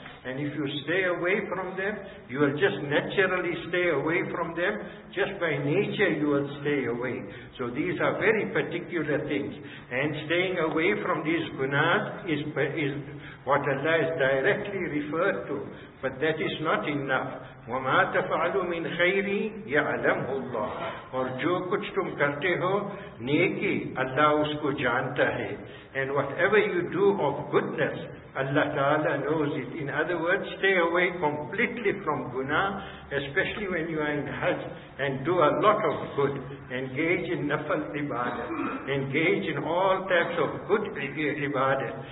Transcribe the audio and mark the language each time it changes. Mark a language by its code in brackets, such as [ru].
[en] And if you stay away from them, you will just naturally stay away from them. Just by nature you will stay away. So these are very particular things. And staying away from these gunas is what Allah is directly referred to. But that is not enough. [ar] وَمَا تَفَعَلُوا مِنْ خَيْرِ يَعْلَمْهُ اللَّهُ [ur] اور جو کچھ تم کرتے ہو نیکی اللہ اس کو جانتا ہے. [en] And whatever you do of goodness, Allah Ta'ala knows it. In other words, stay away completely from guna, especially when you are in Hajj, and do a lot of good. Engage in nafal ibadah. Engage in all types of good ibadah.